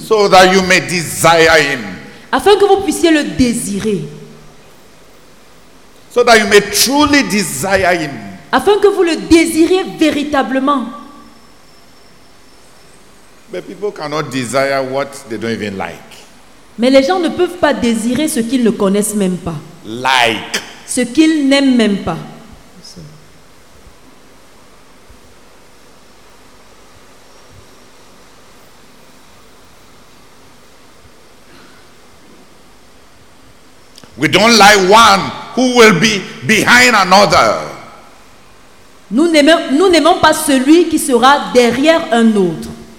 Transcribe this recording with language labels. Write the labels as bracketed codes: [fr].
[en] So that you may desire him. [fr] Afin que vous puissiez le désirer. [en] So that you may truly desire him. [fr] Afin que vous le désiriez véritablement. [en] But people cannot desire what they don't even like. [fr] Mais les gens ne peuvent pas désirer ce qu'ils ne connaissent même pas. [en] Like. [fr] Ce qu'ils n'aiment même pas. [en] We don't like one who will be behind another. [fr] Nous n'aimons pas celui qui sera derrière un autre.